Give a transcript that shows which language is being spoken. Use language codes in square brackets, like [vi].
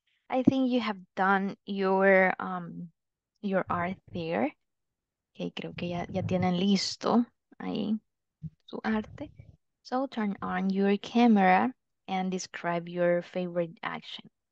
[en] I think you have done your art there. [es] Okay, creo que ya tienen listo ahí su arte. [en] So turn on your camera and describe your favorite action.